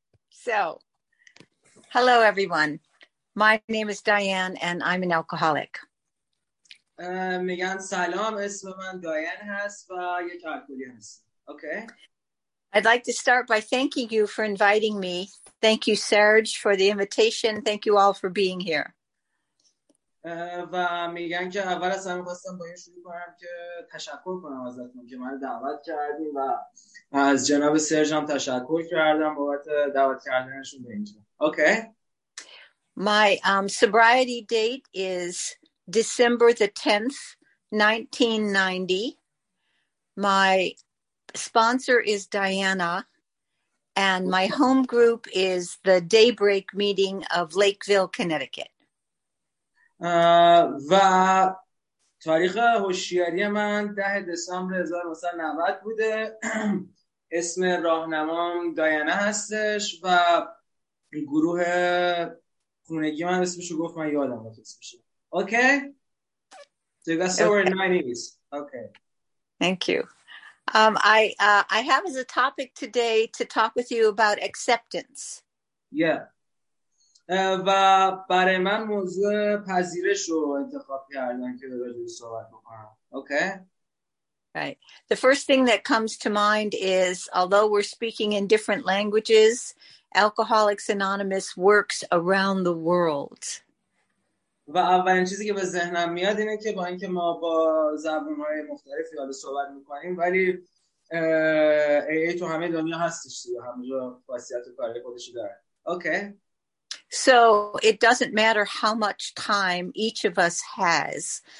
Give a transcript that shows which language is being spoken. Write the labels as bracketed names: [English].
[English] So hello everyone, my name is Diane and I am an alcoholic. [Persian] میگن سلام، اسم من دایان هست و یک الکلی هستم. [English] Okay, I'd like to start by thanking you for inviting me. Thank you, Serge, for the invitation. Thank you all for being here. [Persian] و میگن که اول از همه خواستم با این شروع کنم که تشکر کنم ازتون که من دعوت کردیم و از جناب سرژ هم تشکر کردم بابت دعوت کردنشون به اینجا. [English] Okay. My sobriety date is December the 10th, 1990. My sponsor is Diana, and my home group is the Daybreak Meeting of Lakeville, Connecticut. [Persian] و تاریخ هوشیاری من 10 دسامبر 1990 بوده. اسم راهنمام دایانا هستش و گروه خونگی من اسمشو گفت من یادم رفت اسمش. [English] Okay. So that's our 90s. Okay. Thank you. I have as a topic today to talk with you about acceptance. Yeah. [Persian] و برای من موضوع پذیرش رو انتخاب کردن که در موردش صحبت بکنم. [English] Okay. Right. The first thing that comes to mind is, although we're speaking in different languages, Alcoholics Anonymous works around the world. [Persian] و اولین چیزی که به ذهنم میاد اینه که با اینکه ما با زبان‌های مختلفی داریم صحبت می‌کنیم، ولی AA تو همه دنیا هستش، تو همه جا خاصیت و کاری خودش داره. [English] Okay. So it doesn't matter how much time each of us has.